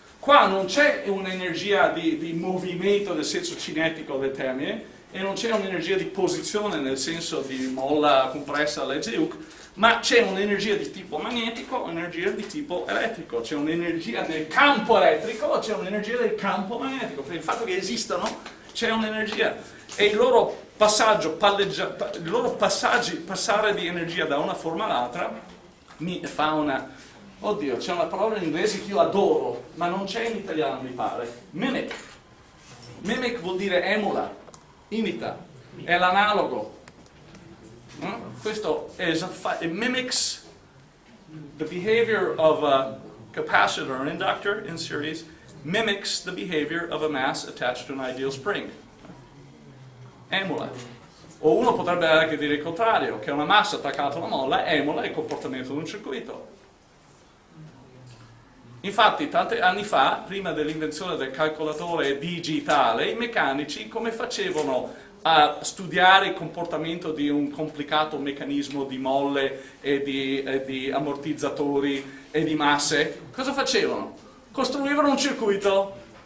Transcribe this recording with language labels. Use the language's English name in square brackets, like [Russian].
[Italian] Qua non c'è un'energia di movimento nel senso cinetico del termine, e non c'è un'energia di posizione nel senso di molla compressa alla legge di Hooke, ma c'è un'energia di tipo magnetico, un'energia di tipo elettrico, c'è un'energia del campo elettrico, c'è un'energia del campo magnetico, per il fatto che esistano c'è un'energia, e il loro passaggio, il loro passare di energia da una forma all'altra mi fa una... Oddio, c'è una parola in inglese che io adoro, ma non c'è in italiano mi pare, mimic. Mimic vuol dire emula, imita, è l'analogo. Questo è [English] it mimics the behavior of a capacitor, an inductor in series, mimics the behavior of a mass attached to an ideal spring. [Italian] Emula. O uno potrebbe anche dire il contrario, che una massa attaccata alla molla emula il comportamento di un circuito. Infatti, tanti anni fa, prima dell'invenzione del calcolatore digitale, i meccanici come facevano a studiare il comportamento di un complicato meccanismo di molle e di ammortizzatori e di masse? Cosa facevano? Costruivano un circuito.